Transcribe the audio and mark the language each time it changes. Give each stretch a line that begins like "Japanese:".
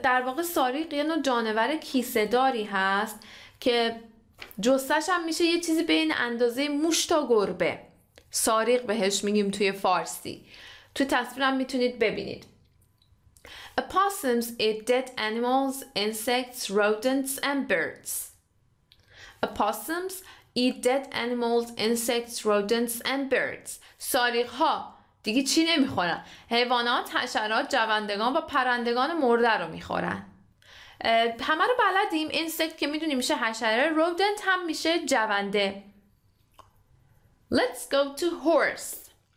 Persian: در واقع ساریق یه نوع جانور کیسه داری هست که جستش هم میشه یه چیزی به این اندازه موش تا گربه. ساریق بهش میگیم توی فارسی. توی تصویرم میتونید ببینید.
English: A possums eat dead animals, insects, rodents and birds. Opossums eat dead animals, insects, rodents and birds.
Persian: ساریخ ها دیگه چی نمیخورن؟ حیوانات، حشرات، جوندگان و پرندگان مرده رو میخورن. همه رو بلدیم. insect که میدونیم میشه حشره، rodent هم میشه جونده.
English: Let's go to horse.